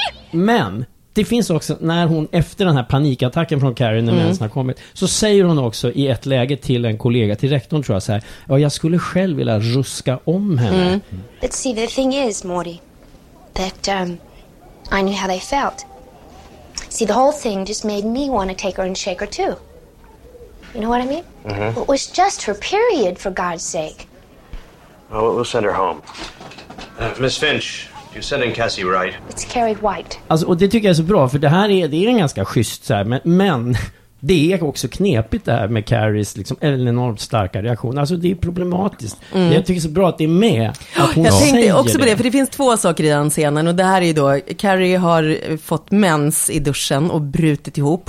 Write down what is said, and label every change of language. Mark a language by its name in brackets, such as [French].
[Swedish] Men det finns också, när hon efter den här panikattacken från Carrie, när mensen har kommit, så säger hon också i ett läge till en kollega, till rektorn tror jag, så här: ja, jag skulle själv vilja ruska om henne. [English] But see, the thing is, Morty, that I knew how they felt. See, the whole thing just made me want to take her and shake her too. You know what I mean? Mm-hmm. It was just her period, for God's sake. Oh, we'll send her home. Miss Finch, you're sending Cassie right. It's Carrie White. [Swedish] Alltså, och det tycker jag är så bra, för det här är, det är en ganska schysst så här, men det är också knepigt det här med Carries liksom, en enormt starka reaktion. Alltså det är problematiskt. Mm. Jag tycker så bra att det är med. Jag tänkte också på det, för det finns två saker i den scenen. Och det här är ju då, Carrie har fått mens i duschen och brutit ihop.